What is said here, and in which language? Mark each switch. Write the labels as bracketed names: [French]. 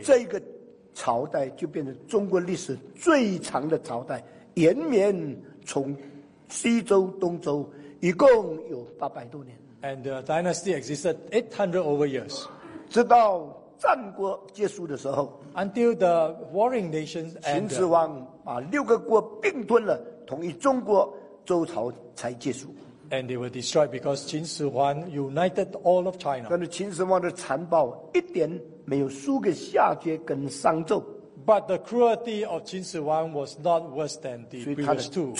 [Chinese] 这个朝代就变成中国历史最长的朝代，延绵从西周、东周，一共有八百多年。 [English] And the dynasty existed 800 over years. [Chinese] 直到战国结束的时候 [English] ，until the warring nations ended. [Chinese] 秦始皇把六个国并吞了，统一中国，周朝才结束。 [English] And they were destroyed because 秦始皇 united all of China. [Chinese] 但是秦始皇的残暴一点没有输给夏桀跟商纣。 [English] But the cruelty of 秦始皇 was not worse than the previous two.